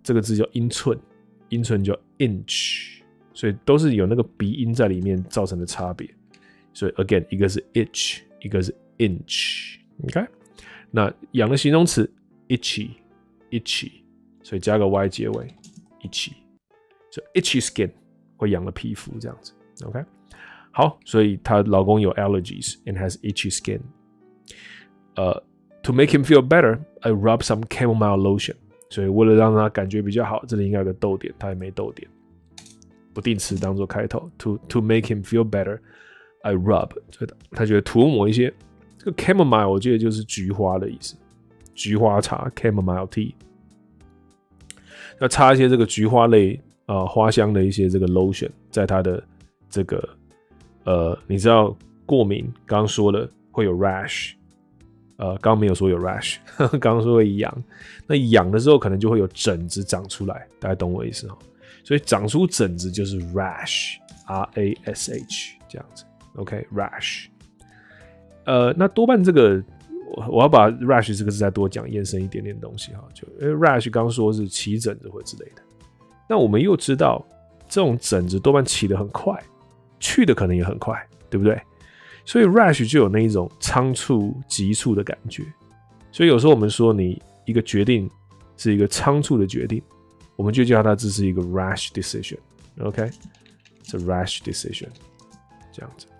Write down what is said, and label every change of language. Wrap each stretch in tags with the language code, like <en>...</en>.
<zh>这个字叫英寸，英寸叫 inch， 所以都是有那个鼻音在里面造成的差别。所以 again， 一个是 itch， 一个是 inch。 OK， 那痒的形容词 itchy。所以加个 y 结尾 ，itchy， 就 itchy skin， 会痒的皮肤这样子。 OK， 好，所以她老公有</zh> <en>allergies and has itchy skin。 To make him feel better, I rub some chamomile lotion。</en> <zh>所以为了让他感觉比较好，这里应该有个逗点，他也没逗点，不定词当做开头。</zh> <en>To make him feel better, I rub，</en> <zh>所以他觉得涂抹一些这个 chamomile， 我记得就是菊花的意思，菊花茶 chamomile tea。要擦一些这个菊花类花香的一些这个 lotion， 在他的这个你知道过敏，刚说了会有 rash， 刚没有说有 rash， 刚说会痒，那痒的时候可能就会有疹子长出来，大家懂我意思哦？所以长出疹子就是 rash，r a s h 这样子 ，OK rash。那多半这个我要把 rash 这个字再多讲延伸一点点东西哈，就 rash 刚说是起疹子或之类的，那我们又知道这种疹子多半起得很快，去的可能也很快，对不对？所以 rash 就有那一种仓促急促的感觉，所以有时候我们说你一个决定是一个仓促的决定，我们就叫它这是一个 rash decision， OK，</zh> <en>it's a rash decision，</en> <zh>这样子。</zh>